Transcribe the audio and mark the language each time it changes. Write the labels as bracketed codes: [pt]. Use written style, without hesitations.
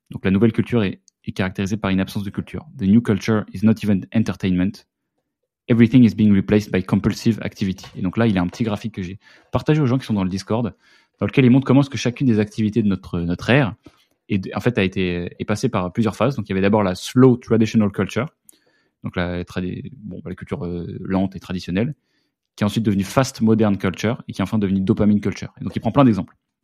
[fr] Donc la nouvelle culture est caractérisée par une absence de culture. [en] The new culture is not even entertainment. Everything is being replaced by compulsive activity. [fr] Et donc là, il y a un petit graphique que j'ai partagé aux gens qui sont dans le Discord, dans lequel il montre comment est-ce que chacune des activités de notre ère est en fait est passée par plusieurs phases. Donc il y avait d'abord la [en] slow traditional culture. [fr] Donc la culture lente et traditionnelle, qui est ensuite devenue [en] fast modern culture [fr] et qui est enfin devenue dopamine culture. Et donc il prend plein d'exemples.